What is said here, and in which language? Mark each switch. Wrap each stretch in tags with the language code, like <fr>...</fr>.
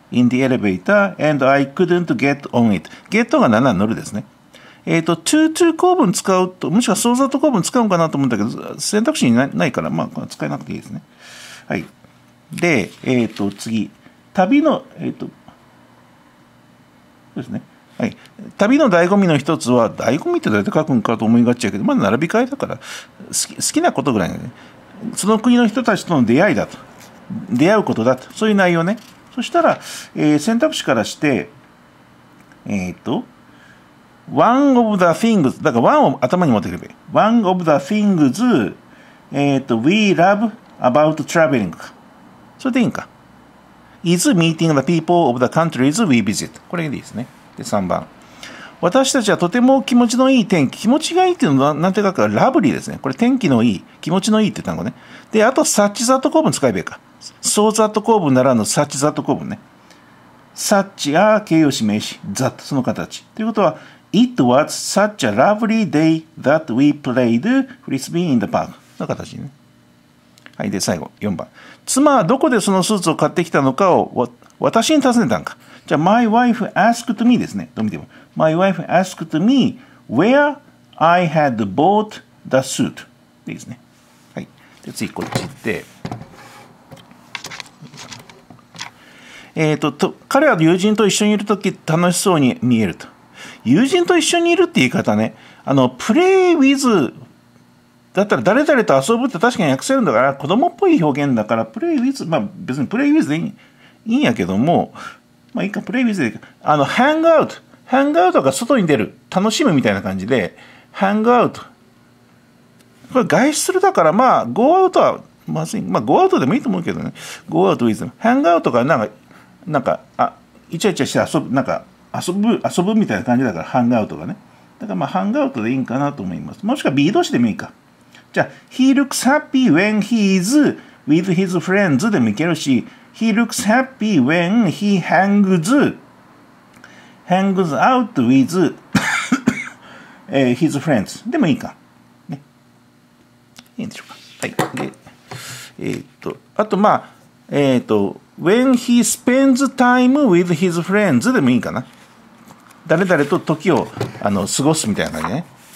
<en>In the elevator and I couldn't get on it。</en> <ja>get on が7乗るですね。 too 構文使うと、もしくはそうざと構文使うかなと思うんだけど、選択肢にないから、まあ、使えなくていいですね。はい。で、次。旅の、そうですね。はい。旅の醍醐味の一つは、醍醐味ってどうやって書くんかと思いがちやけど、まだ並び替えだから、好きなことぐらいね。その国の人たちとの出会いだと。出会うことだと。そういう内容ね。そしたら、選択肢からして、</ja> <en>one of the things,</en> <ja>だから one を頭に持ってくればいい。</ja> <en>one of the things, we love about traveling.</en> <ja>それでいいんか。</ja> <en>is meeting the people of the countries we visit.</en> <ja>これでいいですね。で、3番。私たちはとても気持ちのいい天気。気持ちがいいっていうのは何て書くか、ラブリーですね。これ天気のいい、気持ちのいいって単語ね。で、あと、サッチザット構文使えばいいか。そうざット構文ならぬサッチザット構文ね。サッチ、形容詞名詞、ザット、その形。ということは、</ja> <en>It was such a lovely day that we played frisbee in the park.</en> <ja>の形ね。はい。で、最後、4番。妻はどこでそのスーツを買ってきたのかを私に尋ねたんか。じゃあ、my wife asked me ですね。どう見ても。</ja> <en>my wife asked me where I had bought the suit.</en> <ja>でいいですね。はい。で、次、こっち行って。彼は友人と一緒にいるとき楽しそうに見えると。友人と一緒にいるって言い方ね、あのプレイウィズだったら誰々と遊ぶって確かに訳せるんだから、子供っぽい表現だからプレイウィズ、まあ別にプレイウィズでいいんやけども、まあいいか、プレイウィズでいいか。あのハングアウト、ハングアウトが外に出る、楽しむみたいな感じで、ハングアウト、これ外出するだから、まあゴーアウトはまずい、まあゴーアウトでもいいと思うけどね。ゴーアウトウィズ、ハングアウトがなんかあイチャイチャして遊ぶ、なんか遊ぶみたいな感じだから、ハングアウトがね。だからまあ、ハングアウトでいいんかなと思います。もしくは、B 動詞でもいいか。じゃあ、</ja> <en>He looks happy when he is with his friends</en> <ja>でもいけるし、</ja> <en>He looks happy when he hangs out with his friends</en> <ja>でもいいか。ね。いいんでしょうか。はい。で、あとまあ、</ja> <en>When he spends time with his friends</en> <ja>でもいいかな。誰々と時をあの過ごすみたいな感じね。</ja>